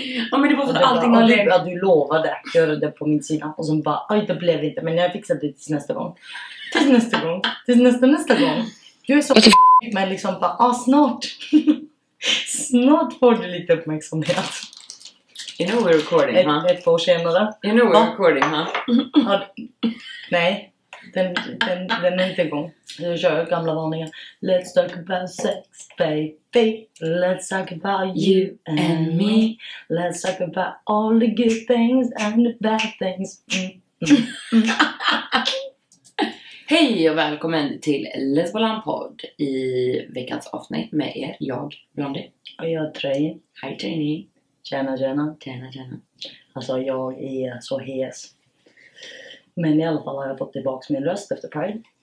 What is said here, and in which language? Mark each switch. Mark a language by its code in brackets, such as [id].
[sv] Ja men det var för att allting har levt. Du lovade att göra det på min sida. Och så bara, aj det blev inte. Men jag fixar det tills nästa gång. Tills nästa gång. Tills nästa gång. Du är så f***. Men liksom bara, ah snart. Snart får du lite uppmärksamhet. [en] You know we're recording, [sv] ha? Ett par år senare. [en] You know we're recording, ha? [sv] Nej. Den är inte igång. Nu kör jag gamla varningar. [en] Let's talk about sex, baby. Let's talk about you and me. Let's talk about all the good things and the bad things. [sv] Hej och välkommen till Lesbolan podd i veckans avsnitt med er. Jag, Blondie. Och jag, Trayn. Hej, Trayn. Tjena, tjena. Tjena, tjena. Alltså, jag är så hes. Men i alla fall har jag fått tillbaka min röst efter Pride.